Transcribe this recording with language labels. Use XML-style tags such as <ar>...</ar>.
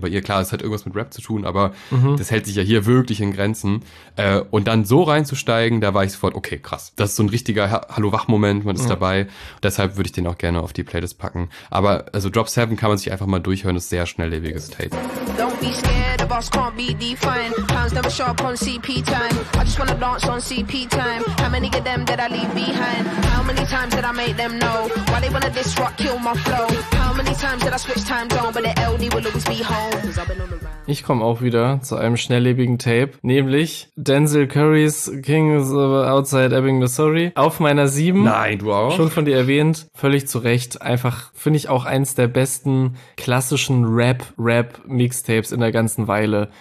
<de>Bei ihr, klar, es hat irgendwas mit Rap zu tun, aber das hält sich ja hier wirklich in Grenzen. Und dann so reinzusteigen, da war ich sofort, okay, krass. Das ist so ein richtiger Hallo-Wach-Moment, man ist dabei. Deshalb würde ich den auch gerne auf die Playlist packen. Aber also Drop 7 kann man sich einfach mal durchhören, ist sehr schnelllebiges Tape.</de> <en>Boss can't be defined. Pounds never sharp on CP time. I just wanna dance on CP time. How many of them did I leave behind? How many times did I make them know? Why they wanna disrupt, kill my flow? How many times did I switch time zone? But the LD will always be home.</en> <de>Ich komme auch wieder zu einem schnelllebigen Tape, nämlich Denzel Currys King is Outside Ebbing, Missouri. Auf meiner 7. Nein, du auch. Schon von dir erwähnt, völlig zu Recht. Einfach, finde ich, auch eins der besten klassischen Rap-Rap-Mixtapes in der ganzen Weile.</de>